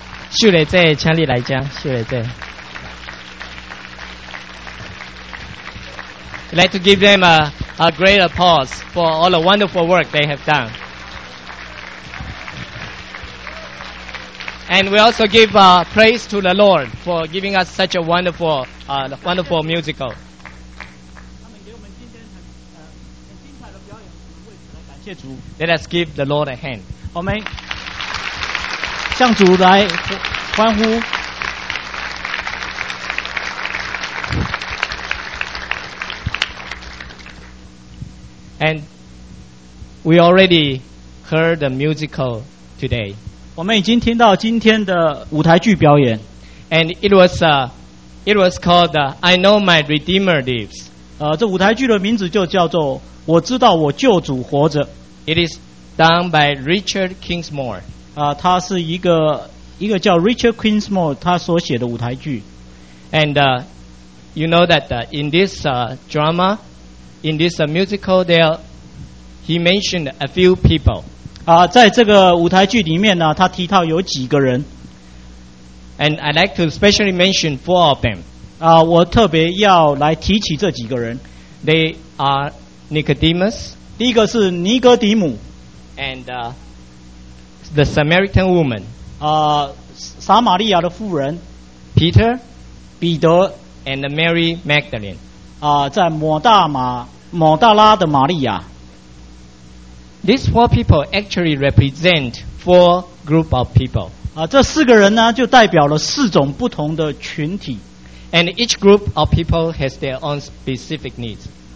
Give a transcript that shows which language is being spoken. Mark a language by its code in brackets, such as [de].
[zh] 秀蕾姐，请你来讲，秀蕾姐。 [en] I'd like to give them a great applause for all the wonderful work they have done. And we also give praise to the Lord for giving us such a wonderful, wonderful musical. Let us give the Lord a hand. [zh] 我们向主来欢呼。 [en] And we already heard the musical today. [zh] 我们已经听到今天的舞台剧表演。 [en] And it was called I Know My Redeemer Lives. [zh] 这舞台剧的名字就叫做我知道我救主活着。 [en] It is done by Richard Kingsmore. [zh] 他是一个叫 Richard Kingsmore 他所写的舞台剧。 [en] And you know that in this drama,In this musical, there he mentioned a few people. [zh] 在这个舞台剧里面呢，他提到有几个人。 [en] And I'd like to specially mention four of them. [zh] 我特别要来提起这几个人。 [en] They are Nicodemus. [zh] 第一个是尼哥底母。 [en] And the Samaritan woman. [zh] 撒玛利亚的妇人。 [en] Peter. [zh] 彼得。 [en] And Mary Magdalene. [zh] 在抹大拉的玛利亚。 [en] These four people actually represent four group of people. [zh] 这四个人呢，就代表了四种不同的群体。 [en] And each group of people has their own specific needs.